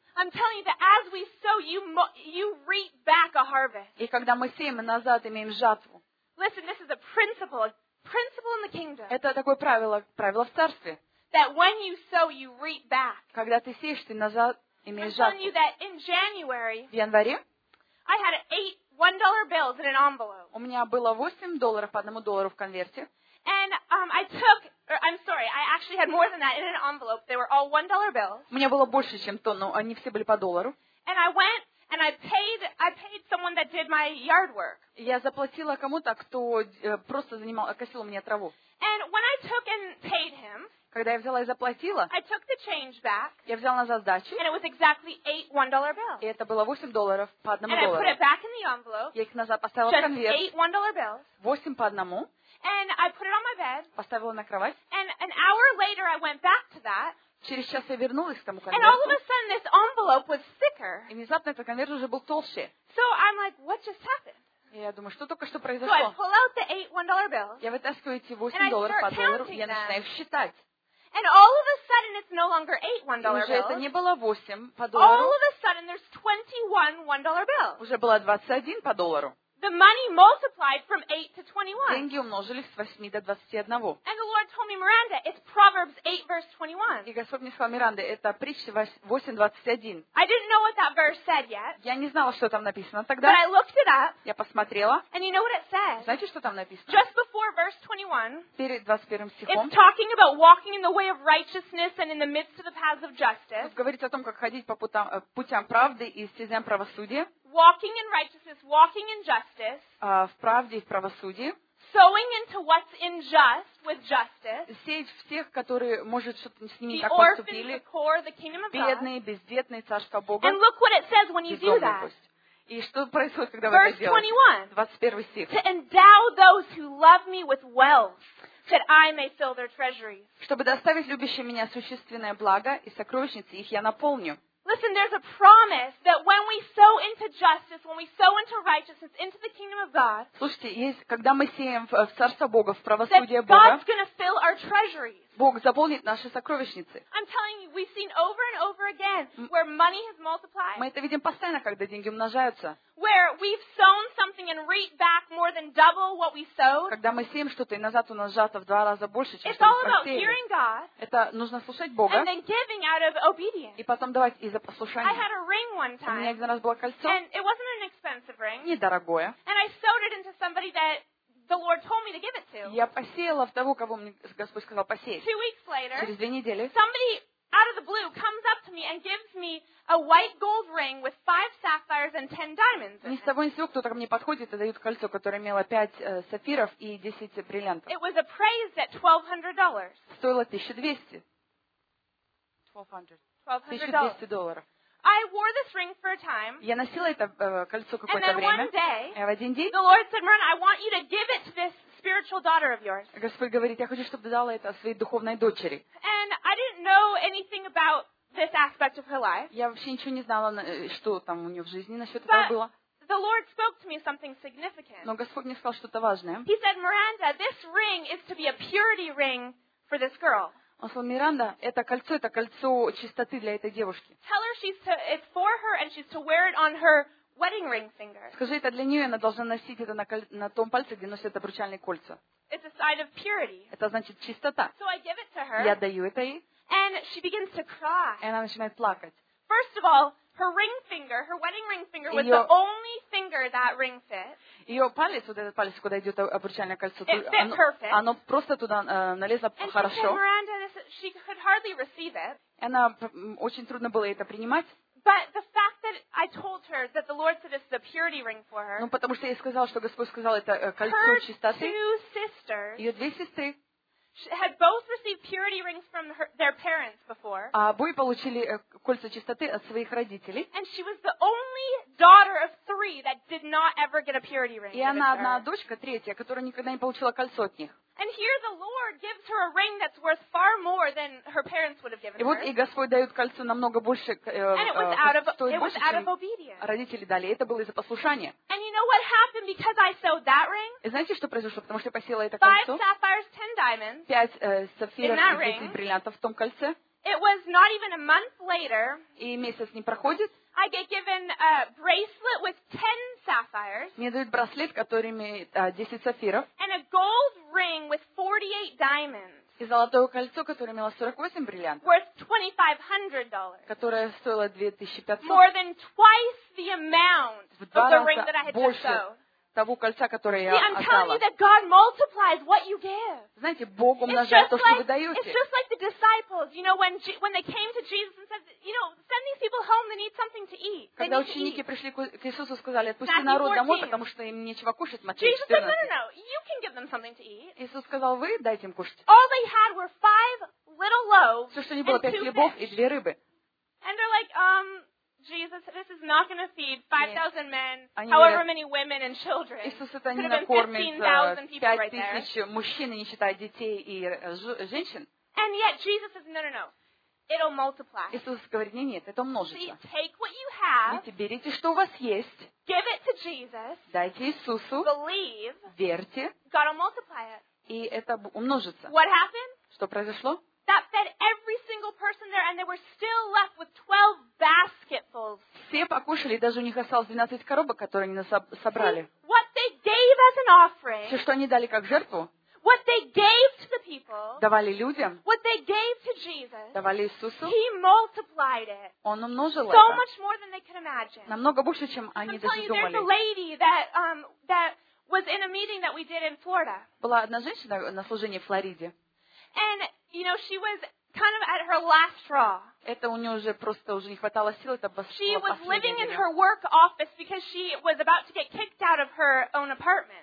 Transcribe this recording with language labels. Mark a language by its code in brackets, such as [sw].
[en] I'm telling you that as we sow, you reap back a harvest. [ru] И когда мы сеем, мы назад имеем жатву. [en] Listen, this is a principle in the kingdom. [ru] Это такое правило в царстве. [en] That when you sow, you reap back. [ru] Когда ты сеешь, ты назад имеешь жатву. [en] I'm telling you that in January. [ru] В январе. [en] I had $8 bills in an envelope. [ru] У меня было $8 по $1 в конверте. [en] And I actually had more than that in an envelope. They were all $1 bills. [ru] У меня было больше, чем то, но они все были по доллару. [en] And I went and I paid someone that did my yard work. [ru] Я заплатила кому-то, кто просто косил у меня траву. [en] And when I took and paid him, [ru] когда я взяла и заплатила, [en] I took the change back. [ru] Я взяла назад сдачу. [en] And it was exactly $8 bills. [ru] И это было $8 по одному [en] and [ru] доллару. [en] And I put it back in the envelope. [ru] Я их назад поставила в конверт. [en] $8 bills. [ru] 8 по одному. [en] And I put it on my bed. [ru] Поставила на кровать. [en] And an hour later, I went back to that. [ru] Через час я вернулась к тому конверту. [en] And all of a sudden, this envelope was thicker. [ru] И внезапно этот конверт уже был толще. [en] So I'm like, what just happened? [ru] И я думаю, что только что произошло? [en] So I pull out the $8 bills. [ru] Я вытаскиваю эти $8 по доллару, и я начинаю их считать. [en] And all of a sudden, it's no longer $8 bills. [ru] Уже это не было 8 по доллару. [en] All of a sudden, there's 21 $1 bills. [ru] Уже было 21 по доллару. [en] The money multiplied from 8 to 21. [ru] Деньги умножились с 8 до 21. [en] And the Lord told me, Miranda, it's Proverbs 8, verse 21. [ru] И Господь мне сказал, Миранда, это притча 8:21. [en] I didn't know what that verse said yet. [ru] Я не знала, что там написано тогда. [en] But I looked it up. [ru] Я посмотрела. [en] And you know what it says? [ru] Знаете, что там написано? [en] Just before verse 21. [ru] Перед 21 стихом. [en] It's talking about walking in the way of righteousness and in the midst of the paths of justice. [ru] Говорит о том, как ходить по путям правды и стезям правосудия. [en] Walking in righteousness, walking in justice. [ru] В правде и в правосудии. [en] Sowing into what's unjust with justice. [ru] Сеять в тех, которые, может, что-то с ними [en] the [ru] так поступили. [en] The poor, the kingdom of God. [ru] Бедные, бездетные, царство Бога. [en] And look what it says when you do that. [ru] И что происходит, когда [en] Verse [ru] вы это делаете? 21 стих. [en] To endow those who love me with wealth, that I may fill their treasuries. [ru] Чтобы доставить любящим меня существенное благо и сокровищницы, их я наполню. [en] Listen, there's a promise that when we sow into justice, when we sow into righteousness, into the kingdom of God, [ru] слушайте, есть, когда мы сеем в царство Бога, в правосудие Бога, [en] God's going to fill our treasuries. [ru] Бог заполнит наши сокровищницы. [en] I'm telling you, we've seen over and over again where money has multiplied. [ru] Мы это видим постоянно, когда деньги умножаются. [en] Where we've sown something and reaped back more than double what we sowed. [ru] Когда мы сеем что-то и назад у нас жатва в два раза больше, чем что мы посеяли. [en] It's all about hearing God. [ru] Это нужно слушать Бога. [en] And then giving out of obedience. [ru] И потом давать из-за послушания. [en] I had a ring one time. [ru] У меня один раз было кольцо. [en] And it wasn't an expensive ring. [ru] Недорогое. [en] And I sowed it into somebody that the Lord told me to give it to. [ru] Я посеяла в того, кого мне Господь сказал посеять. [en] 2 weeks later. [ru] Через 2 недели. [en] Somebody out of the blue comes up to me and gives me a white gold ring with 5 sapphires and 10 diamonds. [ru] Ни с того ни с сего кто-то ко мне подходит и дает кольцо, которое имело 5 сапфиров и 10 бриллиантов. [en] It was appraised at $1,200. [ru] Стоило 1200. [en] $1,200. I wore this ring for a time. [ru] Я носила это кольцо какое-то время. [en] And then one day, [ru] в один день, [en] the Lord said, "Miranda, I want you to give it to this spiritual daughter of yours." [ru] Господь говорит, я хочу, чтобы ты дала это своей духовной дочери. [en] And I didn't know anything about this aspect of her life. [ru] Я вообще ничего не знала, что там у нее в жизни насчет этого было. [en] The Lord spoke to me something significant. [ru] Но Господь мне сказал что-то важное. [en] He said, "Miranda, this ring is to be a purity ring for this girl." [ru] Он сказал, Миранда, это кольцо чистоты для этой девушки. Скажи, это для нее, она должна носить это на том пальце, где носят обручальные кольца. [en] It's a sign of purity. [ru] Это значит чистота. [en] So I give it to her, [ru] я даю это ей. [en] And she begins to cry. [ru] И она начинает плакать. [en] First of all, her ring finger, her wedding ring finger was the only finger that ring fit. [ru] Ее палец, вот этот палец, куда идет обручальное кольцо, [en] it fit perfect. [ru] Оно просто туда налезло хорошо. [en] And she said, Miranda, she could hardly receive it. [ru] Она очень трудно было это принимать. [en] But the fact that I told her that the Lord said it's the purity ring for her. [ru] Ну потому что я сказал, что Господь сказал это кольцо чистоты. [en] Her two sisters. [ru] Её две сестры. [en] Had both received purity rings from their parents before. [ru] А обе получили кольца чистоты от своих родителей. [en] And she was the only daughter of three that did not ever get a purity ring. [ru] И она одна дочка третья, которая никогда не получила кольцо от них. [en] And here the Lord gives her a ring that's worth far more than her parents would have given her. [ru] И вот и Господь дает кольцо намного больше, стоит больше, чем [en] obedience. [ru] Родители дали. Это было из-за послушания. [en] And you know what happened because I sowed that ring? [ru] И знаете, что произошло, потому что я посеяла это кольцо? [en] Five sapphires, 10 diamonds. [ru] 5 сапфиров и 10 бриллиантов в том кольце. [en] It was not even a month later. [ru] И месяц не проходит. [en] I get given a bracelet with 10 sapphires. [ru] Мне дают браслет, которыми 10 сапфиров. [en] And a gold ring with 48 diamonds. [ru] И золотое кольцо, которое имело 48 бриллиантов. [en] Worth $2,500. [ru] Которое стоило 2500. [en] More than twice the amount of the ring that I had just sold. [ru] Того кольца, которое [en] See, I'm telling you that God multiplies what you give. [ru] Знаете, Бог умножает то, что вы даете. [en] It's just like the disciples, you know, when they came to Jesus and said, you know, send these people home, they need something to eat. [ru] Когда ученики пришли к Иисусу, сказали, отпусти народ домой, потому что им нечего кушать. Матфея 14. [en] Jesus said, no, you can give them something to eat. [ru] Иисус сказал, вы дайте им кушать. [en] All they had were 5 little loaves. [ru] Все, что не было, 5 хлебов и 2 рыбы. [en] And they're like, Jesus, this is not going to feed 5,000 men, however many women and children. [ru] Иисус, это не накормит 5,000 мужчин, не считая детей и женщин. [en] And yet Jesus says, no, it'll multiply. [ru] Иисус говорит, нет, это умножится. [en] See, take what you have. [ru] Видите, берите, что у вас есть. [en] Give it to Jesus. [ru] Дайте Иисусу. [en] Believe. [ru] Верьте. [en] God will multiply it. [ru] И это умножится. [en] What happened? [ru] Что произошло? [en] That fed every single person there, and they were still left with 12 basketfuls. [ru] Все покушали, даже у них осталось 12 коробок, которые они собрали. [en] What they gave as an offering? [ru] Все, что они дали как жертву? [en] What they gave to the people? [ru] Давали людям? [en] What they gave to Jesus? [ru] Давали Иисусу? [en] He multiplied it. [ru] Он умножил это. [en] So much more than they could imagine. [ru] Намного больше, чем они даже думали. [en] There's a lady that was in a meeting that we did in Florida. [ru] Была одна женщина на служении в Флориде. [en] And you know, she was kind of at her last straw. [ru] Это у неё уже просто уже не хватало сил, это было. [en] She was living in her work office because she was about to get kicked out of her own apartment.